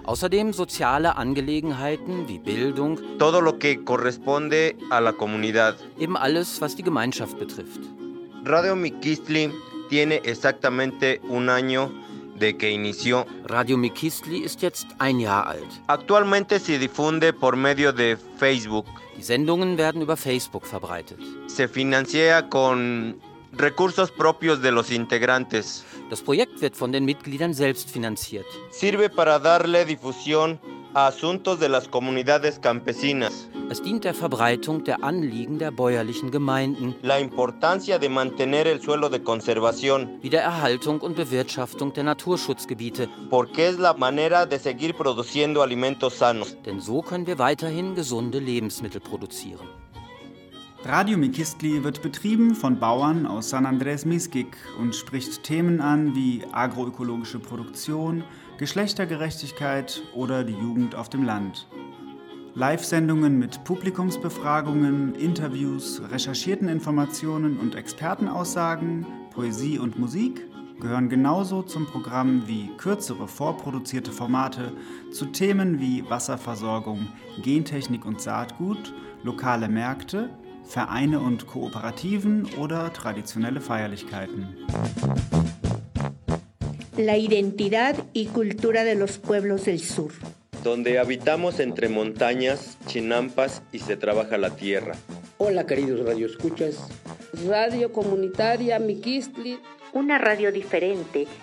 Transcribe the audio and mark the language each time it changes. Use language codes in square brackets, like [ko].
[de] Außerdem soziale Angelegenheiten wie Bildung. [es] Todo lo que corresponde a la comunidad. [de] Eben alles, was die Gemeinschaft betrifft. [es] Radio Mixquic tiene exactamente un año de que inició. [de] Radio Mixquic ist jetzt ein Jahr alt. [es] Actualmente se difunde por medio de Facebook. [de] Die Sendungen werden über Facebook verbreitet. [es] Se financia con recursos propios de los integrantes. [de] Das Projekt wird von den Mitgliedern selbst finanziert. [es] Sirve para darle difusión a asuntos de las comunidades campesinas. [de] Es dient der Verbreitung der Anliegen der bäuerlichen Gemeinden. [es] La importancia de mantener el suelo de conservación. [de] Wie der Erhaltung und Bewirtschaftung der Naturschutzgebiete. [es] Porque es la manera de seguir produciendo alimentos sanos. [de] Denn so können wir weiterhin gesunde Lebensmittel produzieren. Radio Mixquic wird betrieben von Bauern aus San Andrés Mixquic und spricht Themen an wie agroökologische Produktion, Geschlechtergerechtigkeit oder die Jugend auf dem Land. Live-Sendungen mit Publikumsbefragungen, Interviews, recherchierten Informationen und Expertenaussagen, Poesie und Musik gehören genauso zum Programm wie kürzere vorproduzierte Formate zu Themen wie Wasserversorgung, Gentechnik und Saatgut, lokale Märkte, Vereine und Kooperativen oder traditionelle Feierlichkeiten. [es] La identidad y cultura de los pueblos del sur. Donde habitamos entre montañas, chinampas y se trabaja la tierra. Hola, queridos radioescuchas. Radio Comunitaria Mixquic. Una radio diferente,